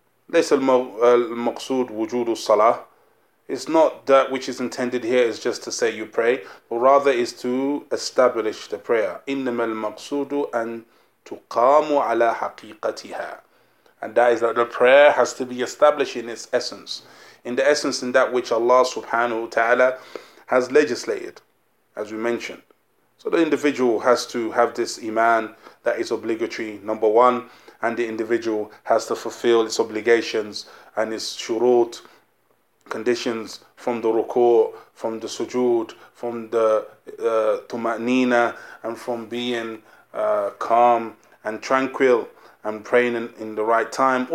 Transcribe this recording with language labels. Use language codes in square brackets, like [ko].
[ar] ليس المقصود وجود الصلاة. [en] It's not that which is intended here is just to say you pray, but rather is to establish the prayer. [ar] إنما المقصود أن تقام على حقيقتها. [en] And that is that the prayer has to be established in its essence. In the essence in that which Allah subhanahu wa ta'ala has legislated, as we mentioned. So the individual has to have this iman that is obligatory, number one, and the individual has to fulfill its obligations and its shurut, conditions from the ruku', from the sujood, from the tuma'nina, and from being calm and tranquil and praying in the right time.